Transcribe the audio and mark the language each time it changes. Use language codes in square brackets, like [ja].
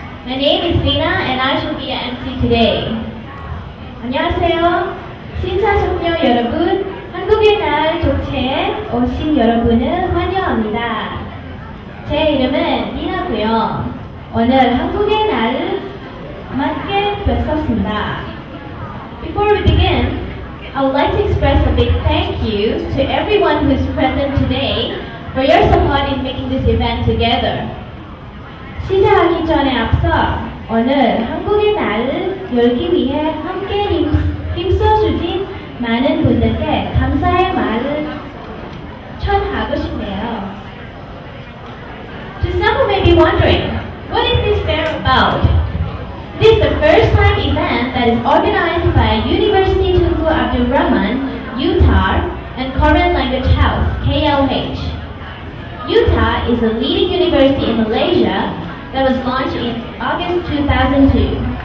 [en] My name is Lina and I shall be your MC today. [ko] 안녕하세요. 신사숙녀 여러분, 한국의 날 족체에 오신 여러분을 환영합니다. 제 이름은 리나고요. 오늘 한국의 날을 맞게 뵀었습니다. [en] Before we begin, I would like to express a big thank you to everyone who is present today for your support in making this event together. [ko] 시작하기 전에 앞서 오늘 한국의 날을 열기 위해 함께 힘써주신 많은 분들께 감사의 말을 전하고 싶네요. [en] To some who may be wondering, what is this fair about? This is the first time event that is organized by University Tunku Abdul Rahman, UTAR, and Korean Language House, KLH. UTAR is a leading university in Malaysia that was launched in August 2002.